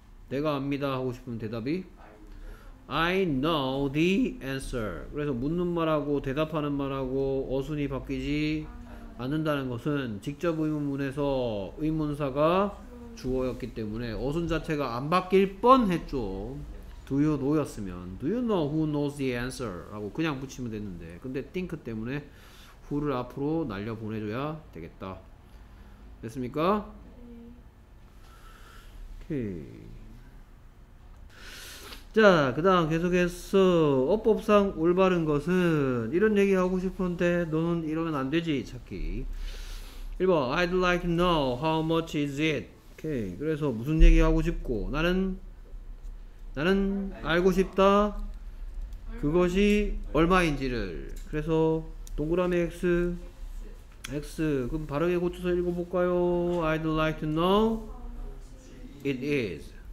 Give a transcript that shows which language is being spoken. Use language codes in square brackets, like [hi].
[ko] 내가 압니다 하고 싶으면 대답이 [en] I know the answer. [ko] 그래서 묻는 말하고 대답하는 말하고 어순이 바뀌지 않는다는 것은 직접 의문문에서 의문사가 주어였기 때문에 어순 자체가 안 바뀔 뻔했죠. [en] Do you know [ko] 였으면 [en] Do you know who knows the answer? [ko] 하고 그냥 붙이면 됐는데 근데 think 때문에 후를 앞으로 날려 보내줘야 되겠다. 됐습니까? 오케이. 자, 그 다음 계속해서 어법상 올바른 것은 이런 얘기 하고 싶은데 너는 이러면 안 되지 찾기. [en] 1번 I'd like to know how much is it. [ko] 오케이. 그래서 무슨 얘기 하고 싶고 나는 알고 싶다 그것이 얼마인지를. 그래서 동그라미 X X. 그럼 바르게 고쳐서 읽어볼까요? [en] I'd like to know it is.